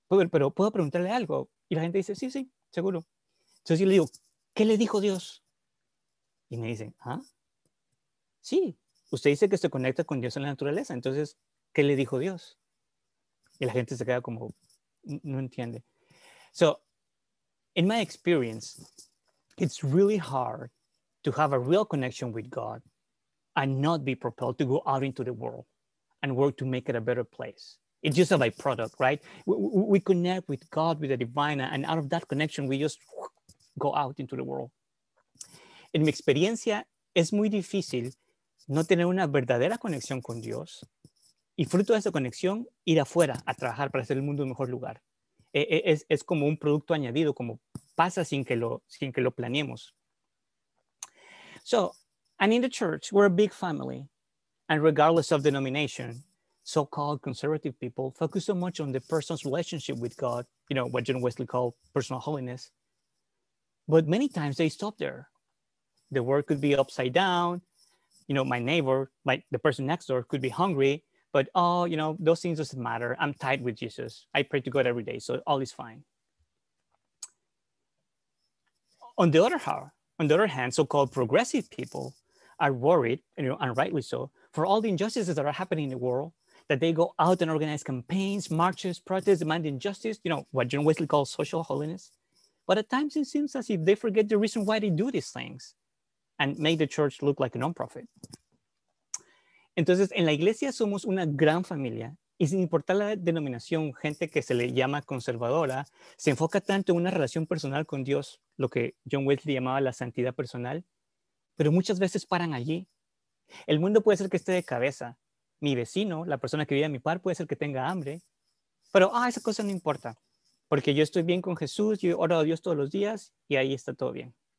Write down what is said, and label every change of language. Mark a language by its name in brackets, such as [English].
[Spanish] Pero puedo preguntarle algo. Y la gente dice, sí, seguro. Entonces yo le digo, ¿qué le dijo Dios? Y me dicen, ¿ah? Sí, usted dice que se conecta con Dios en la naturaleza. Entonces, ¿qué le dijo Dios? Y la gente se queda como, no entiende. [English] So, in my experience, it's really hard to have a real connection with God and not be propelled to go out into the world and work to make it a better place. It's just a byproduct, right? We connect with God, with the divine, and out of that connection, we just go out into the world. [Spanish] En mi experiencia, es muy difícil no tener una verdadera conexión con Dios y fruto de esa conexión, ir afuera a trabajar para hacer el mundo un mejor lugar. Es como un producto añadido, como pasa sin que lo planeemos. [English] So, and in the church, we're a big family, and regardless of denomination, so-called conservative people focus so much on the person's relationship with God, you know, what John Wesley called personal holiness. But many times they stop there. The world could be upside down. You know, my neighbor, like the person next door, could be hungry, but, oh, you know, those things doesn't matter. I'm tied with Jesus. I pray to God every day, so all is fine. On the other hand, so-called progressive people are worried, you know, and rightly so, for all the injustices that are happening in the world, that they go out and organize campaigns, marches, protests, demanding justice, you know, what John Wesley calls social holiness. But at times it seems as if they forget the reason why they do these things and make the church look like a nonprofit. [Spanish] Entonces, en la iglesia somos una gran familia y sin importar la denominación, gente que se le llama conservadora, se enfoca tanto en una relación personal con Dios, lo que John Wesley llamaba la santidad personal, pero muchas veces paran allí. El mundo puede ser que esté de cabeza. Mi vecino, la persona que vive a mi par, puede ser que tenga hambre, pero esa cosa no importa, porque yo estoy bien con Jesús, yo oro a Dios todos los días y ahí está todo bien.